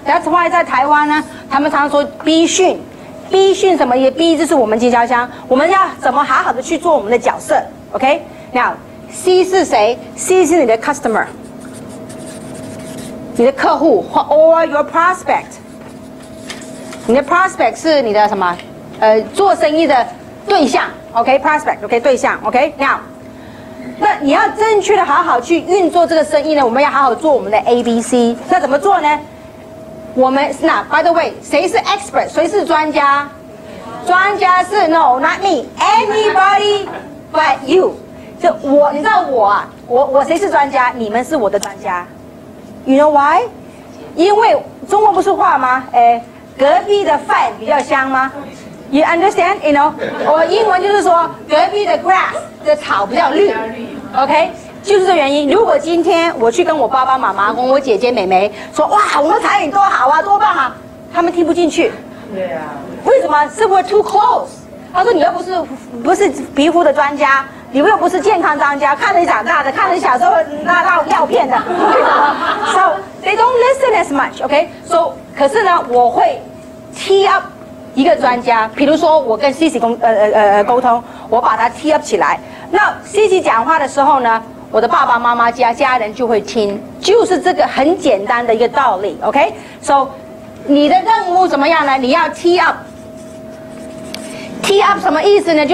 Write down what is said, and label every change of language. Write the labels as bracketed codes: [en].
[en] That's why [zh] 在台湾呢，他们常说逼训，逼训什么也逼，这是我们经销商。我们要怎么好好的去做我们的角色 ？OK， now C 是谁 ？C 是你的 customer， 你的客户 ， [en] or your prospect。 [zh] 你的 prospect 是你的什么？做生意的对象 ，OK， prospect， OK， 对象 ，OK， now。那你要正确的好好去运作这个生意呢，我们要好好做我们的 ABC。那怎么做呢？我们那 [en] by the way， [zh] 谁是 expert， 谁是专家？专家是 [en] no not me anybody but you。 [zh] 就我，你知道我啊，我谁是专家？你们是我的专家。 [en] You know why？ [zh] 因为中国不是话吗，哎，隔壁的饭比较香吗？ [en] You understand？ You know， [zh] 我英文就是说隔壁的 grass的草比较绿， OK， 就是这原因。如果今天我去跟我爸爸妈妈跟我姐姐妹妹说，哇，我们产品多好啊，多棒啊，他们听不进去。对啊，为什么？是 [en] we're too close。 [zh] 他说你又不是皮肤的专家，你又不是健康专家，看着你长大的，看着你小时候那闹尿片的。 [en] So they don't listen as much， OK。 [zh] So 可是呢，我会 tee up一个专家，比如说我跟 Cici 沟通，我把他 tee up 起来。那 Cici 讲话的时候呢，我的爸爸妈妈家人就会听，就是这个很简单的一个道理。 OK， so 你的任务怎么样呢？你要 tee up， tee up 什么意思呢？